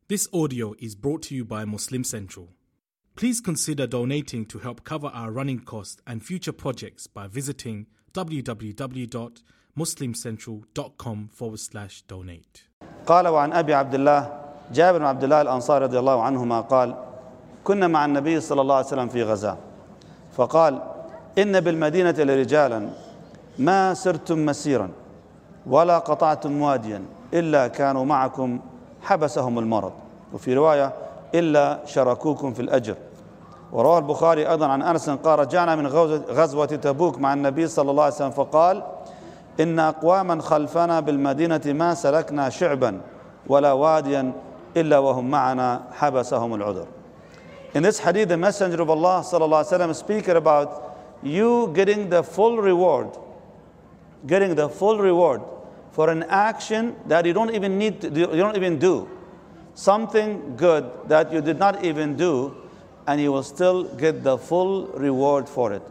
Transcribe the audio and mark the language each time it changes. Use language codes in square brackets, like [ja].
[en] This audio is brought to you by Muslim Central. Please consider donating to help cover our running costs and future projects by visiting www.muslimcentral.com/donate. [ar] قال وعن أبي عبد الله جابر بن عبد الله الأنصاري رضي الله عنهما قال كنا مع النبي صلى الله عليه وسلم في غزاة فقال إن بالمدينة لرجالا ما سرتم مسيرا ولا قطعتم واديا إلا كانوا معكم حبسهم المرض وفي رواية إلا شركوكم في الأجر وروى البخاري أيضا عن أنس قال رجعنا من غزوة تبوك مع النبي صلى الله عليه وسلم فقال إن أقواما خلفنا بالمدينة ما سلكنا شعبا ولا واديا إلا وهم معنا حبسهم العذر. [en] In this hadith, the Messenger of Allah صلى الله عليه وسلم speaking about you getting the full reward, getting the full reward for an action that you don't even need to, you don't even do, something good that you did not even do, and you will still get the full reward for it.